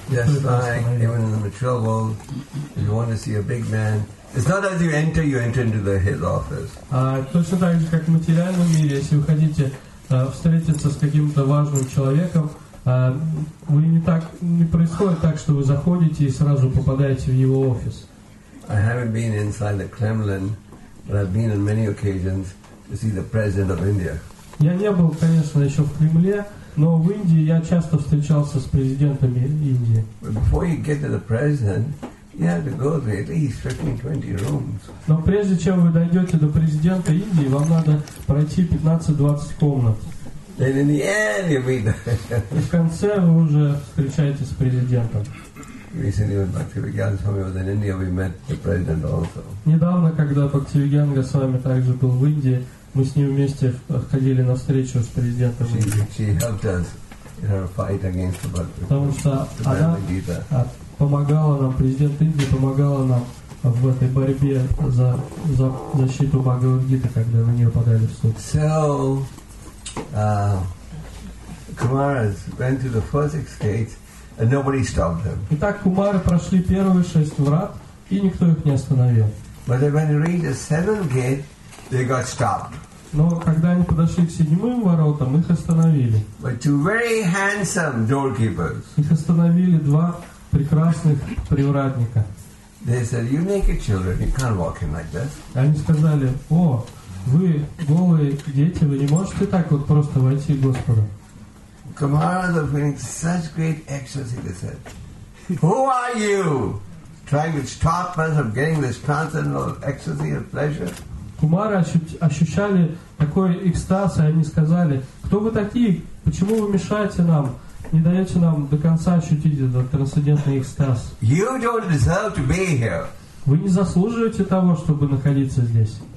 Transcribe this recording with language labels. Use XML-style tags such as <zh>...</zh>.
<en>Yes, even in the material world, if you want to see a big man. It's not as you enter into his office.</en> <ru>Точно так же, как в материальном мире, если вы хотите встретиться с каким-то важным человеком, вы не так не происходит так, что вы заходите и сразу попадаете в его офис.</ru> <en>I haven't been inside the Kremlin, but I've been on many occasions to see the President of India.</en> <ru>Я не был, конечно, еще в Кремле, но в Индии я часто встречался с президентами Индии.</ru> <en>But before you get to the President, you have to go to at least 15-20 rooms.</en> <ru>Но прежде чем вы дойдете до президента Индии, вам надо пройти 15-20 комнат.</ru> <en>And in the end, you meet.</en> <ru>И в конце вы уже встречаетесь с президентом.</ru> <en>Recently, when Bhakti Vigyanga Swami was in India, we met the president also.</en> <ru>Недавно, когда Бхакти Вигьянга с вами также был в Индии, мы с ним вместе ходили на встречу с президентом Индии.</ru> <en>She helped us in our fight against the Bhagavad Gita.</en> <ru>Потому что она помогала нам, президент Индии помогала нам в этой борьбе за защиту Бхагавад Гиты, когда на нее подали в суд.</ru> <en>So, Kumaras went to the first six gates and nobody stopped them.</en> <ru>Итак, кумары прошли первые шесть врат, и никто их не остановил.</ru> <en>But when they reached the seventh gate, they got stopped.</en> <ru>Но когда они подошли к седьмым воротам, их остановили.</ru> <en>But two very handsome doorkeepers.</en> <ru>Их остановили два прекрасных привратника.</ru> <en>They said, "You naked children, you can't walk in like this."</en> <ru>Они сказали: "О, вы голые дети, вы не можете так вот просто войти к Господу."</ru> <en>Kumaras are feeling such great ecstasy. They said, "Who are you, trying to stop us from getting this transcendental ecstasy of pleasure?"</en> <ru>Кумары ощущали такой экстаз, и они сказали: "Кто вы такие? Почему вы мешаете нам? Не даете нам до конца ощутить этот трансцендентный экстаз?"</ru> <en>You don't deserve to be here.</en> <ru>Вы не заслуживаете того, чтобы находиться здесь.</ru>